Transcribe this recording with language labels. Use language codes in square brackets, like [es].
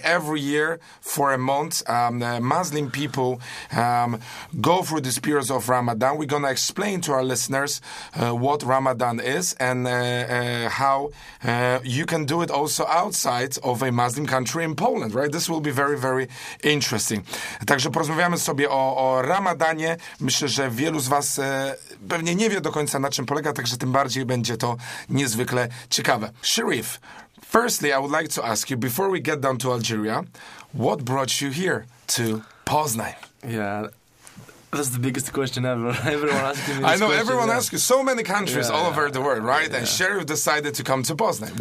[en] Every year for a month, Muslim people go through the spirits of Ramadan. We're gonna explain to our listeners what Ramadan is and how you can do it also outside of a Muslim country in Poland, right? This will be very, very interesting. [pl] Także porozmawiamy sobie o Ramadanie. Myślę, że wielu z was pewnie nie wie do końca, na czym polega, także tym bardziej będzie to niezwykle ciekawe. [en] Cherif, firstly, I would like to ask you, before we get down to Algeria, what brought you here to Poznań? Yeah, that's the biggest question ever. Everyone asks me this I know, question, everyone asks you. So many countries all over the world, right? Yeah. And Cherif decided to come to Poznań.